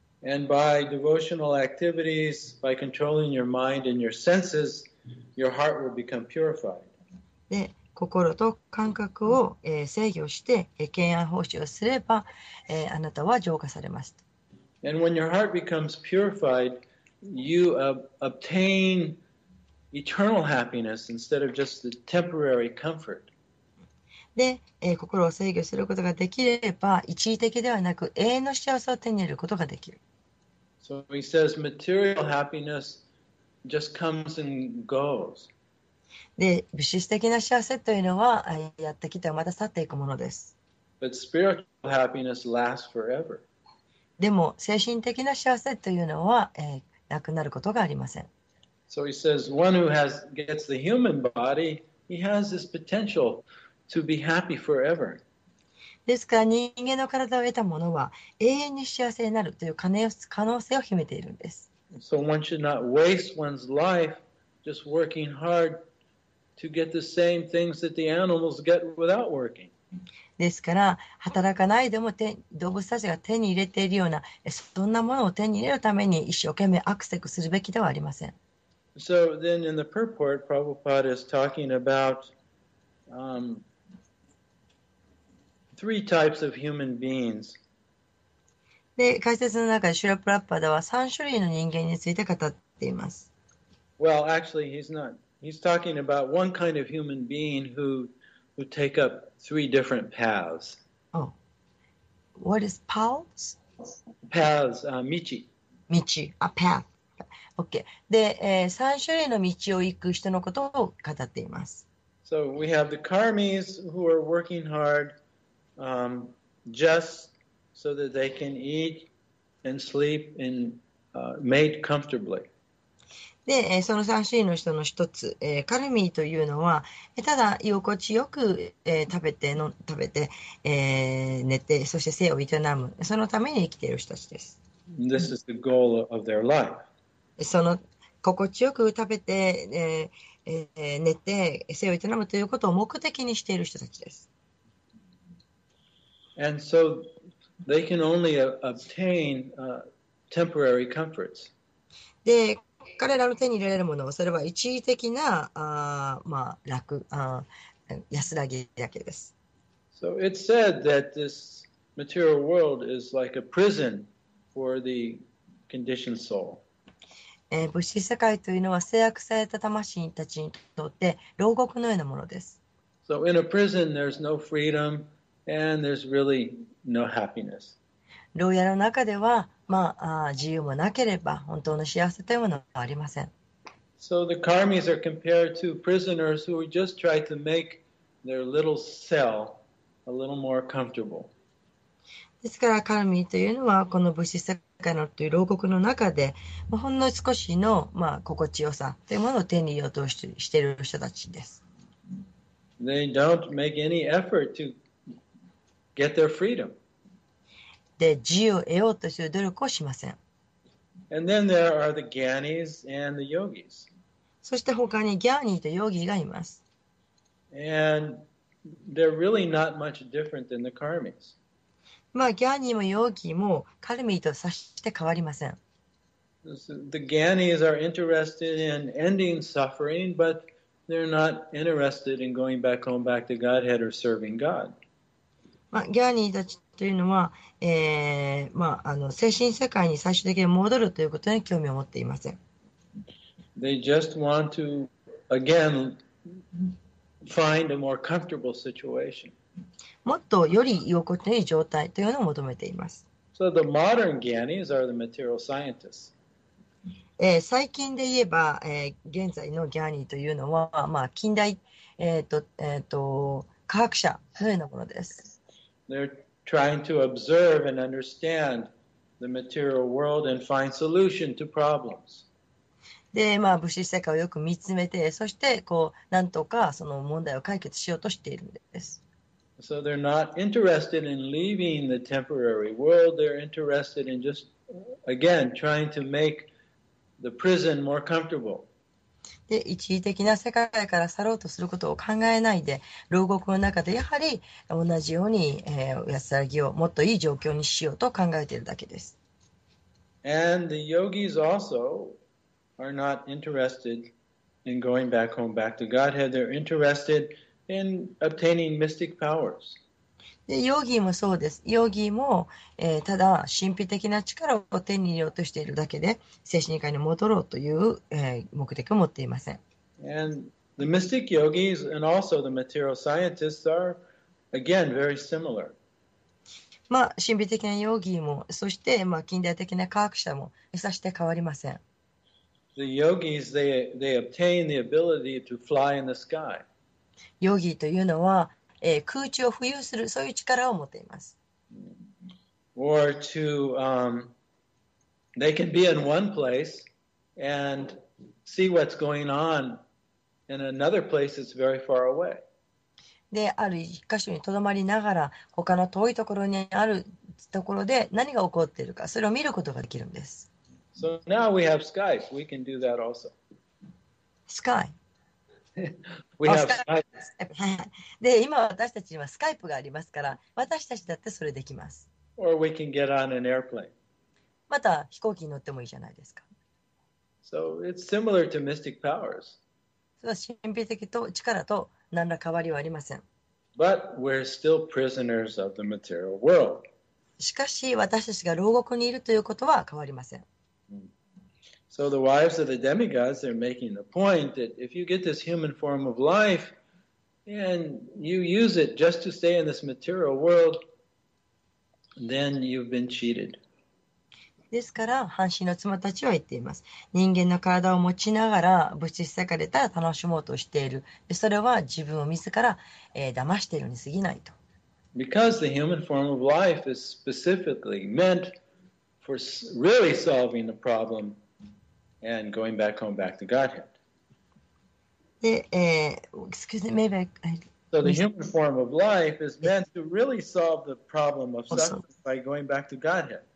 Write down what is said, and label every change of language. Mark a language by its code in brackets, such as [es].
[en] And by devotional activities, by controlling your mind and your senses, your heart will become purified. [ja] で、心と感覚を、制御して、敬遠奉仕をすれば、あなたは浄化されます。 [en] And when your heart becomes purified, you obtain eternal happiness instead of just the temporary comfort. [ja] で、心を制御することができれば、一時的ではなく永遠の幸せを手に入れることができる。 [en] So he says material happiness just comes and goes. [ja] で、物質的な幸せというのは、やってきてはまた去っていくものです。 [en] But spiritual happiness lasts forever. [ja] でも精神的な幸せというのは、なくなることがありません。 [en] So he says, one who has, gets the human body, he has this potential to be happy forever. [ja] ですから人間の体を得た者は永遠に幸せになるという可能性を秘めているんです。 [en] So one should not waste one's life just working hard to get the same things that the animals get without working. [ja] ですから働かないでも動物たちが手に入れているようなそんなものを手に入れるために一生懸命アクセスするべきではありません。 [en] So then in the purport, Prabhupada is talking about three types of human beings. [ja] で、解説の中でシュラ・プラッパダは3種類の人間について語っています。 [en] Well, actually, he's talking about one kind of human being who take up three different paths. Oh. What is paths? Paths, michi. Michi, a path. Okay. [ja] で、三種類の道を行く人のことを語っています。 [en] So we have the karmis who are working hard, just so that they can eat and sleep and, mate comfortably. [ja] で、その三種類の人の一つ、カルミーというのは、ただ居心地よく、食べて、寝て、そして生を営む、そのために生きている人たちです。 [en] This is the goal of their life. [ja] その心地よく食べて、寝て生を営むということを目的にしている人たちです。 [en] And so they can only obtain temporary comforts. [ja] で、彼らの手に入れるものはそれは一時的な、まあ、楽、安らぎだけです。 [en] So it's said that this material world is like a prison for the conditioned soul. [ja] 物質世界というのは制約された魂たちにとって牢獄のようなものです。 [en] So in a prison, there's no freedom and there's really no happiness. [ja] 牢屋の中では、まあ、自由もなければ本当の幸せというものはありません。 [en] So the karmis are compared to prisoners who just try to make their little cell a little more comfortable. [ja] ですからカルミというのはこの物質世界のという牢獄の中でほんの少しの、まあ、心地よさというものを手に入れようとしている人たちです。 [en] They don't make any effort to get their freedom. [ja] で、自由を得ようとする努力をしません。 [en] And then there are the gyanis and the yogis. [ja] そして他にギャーニーとヨーギーがいます。 [en] And they're really not much different than the karmis. [ja] まあ、ギャーニーもヨーギーもカルミーとさして変わりません。 [en] The Gyanis are interested in ending suffering, but they're not interested in going back home back to Godhead or serving God. [ja] まあ、ギャーニーたちというのは、まあ、精神世界に最終的に戻るということに興味を持っていません。 [en] They just want to, again, find a more comfortable situation. [ja] もっとより居心地のいい状態というのを求めています。 [en] So the modern Gyanis are the material scientists. [ja] 最近で言えば、現在のギャーニーというのは、まあ、近代、科学者のようなものです。 [en] They're trying to observe and understand the material world and find solution to problems. [ja] で、まあ、物質世界をよく見つめて、そして、こう、なんとかその問題を解決しようとしているんです。 [en] So they're not interested in leaving the temporary world. They're interested in just, again, trying to make the prison more comfortable. [ja] で、一時的な世界から去ろうとすることを考えないで、牢獄の中でやはり同じように、安らぎをもっといい状況にしようと考えているだけです。 [en] And the yogis also are not interested in going back home back to Godhead. They're interested... In obtaining mystic powers. [ja] で、ヨーギーもそうです。ヨーギーも、ただ神秘的な力を手に入れようとしているだけで、精神界に戻ろうという、目的を持っていません。 [en] And the mystic yogis and also the material scientists are, again, very similar. [ja] まあ、神秘的なヨーギーも、そして、まあ、近代的な科学者も、さして変わりません。 [en] The yogis, they obtain the ability to fly in the sky. [ja] ヨギというのは、空中を浮遊するそういう力を持っています。 [en] Or to, they can be in one place and see what's going on in another place that's very far away. [ja] で、ある一箇所にとどまりながら、他の遠いところにあるところで何が起こっているか、それを見ることができるんです。 [en] So now we have skies. We can do that also. Sky. We have [ja] で今私たちにはスカイプがありますから私たちだってそれできます。 [en] Or we can get on an airplane. [ja] また飛行機に乗ってもいいじゃないですか。 [en] So it's similar to mystic powers. [ja] それは神秘的と力と何ら変わりはありません。 [en] But we're still prisoners of the material world. [ja] しかし私たちが牢獄にいるということは変わりません。 [en] So the wives of the demigods, they're making the point that if you get this human form of life and you use it just to stay in this material world, then you've been cheated. [ja] ですから、半身の妻たちは言っています。人間の体を持ちながら物質世界でただ楽しもうとしている。それは自分を自ら、騙しているに過ぎないと。 [en] Because the human form of life is specifically meant for really solving the problem. And going back home back to Godhead. で、excuse me, maybe So the human form of life is meant to really solve the problem of suffering by going back to Godhead.